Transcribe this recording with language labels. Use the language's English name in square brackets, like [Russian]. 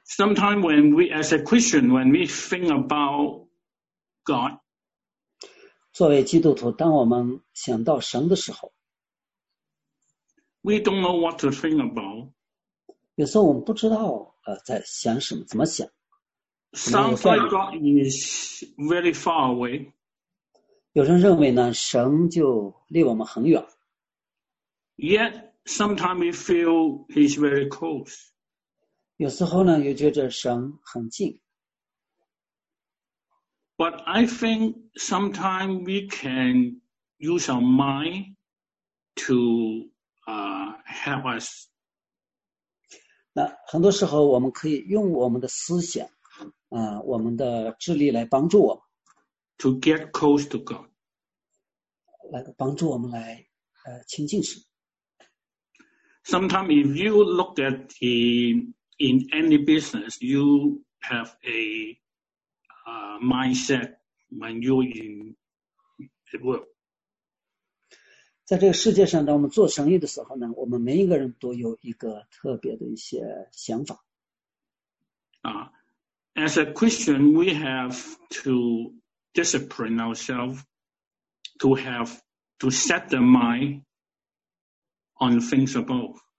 [English] Sometimes when we, as a Christian, when we think about God, [Chinese] 作为基督徒，当我们想到神的时候 [English] ，we don't know what to think about. [Chinese] 有时候我们不知道在想什么，怎么想。 [English] Sounds like God is very far away. [Chinese] 有人认为呢，神就离我们很远。 [English] Yet. Sometimes we feel he's very close. [Chinese] 有时候呢，又觉得神很近。 [English] But I think sometimes we can use our mind to help us. [Chinese] 那很多时候我们可以用我们的思想，我们的智力来帮助我们。 [English] To get close to God. [Chinese] 来帮助我们来亲近神。 [English] Sometimes, if you look at the in any business, you have a mindset when you're in the work. [Chinese] 在这个世界上，当我们做生意的时候呢，我们每一个人都有一个特别的一些想法。 [English] As a Christian, we have to discipline ourselves to have to set the mind on things above.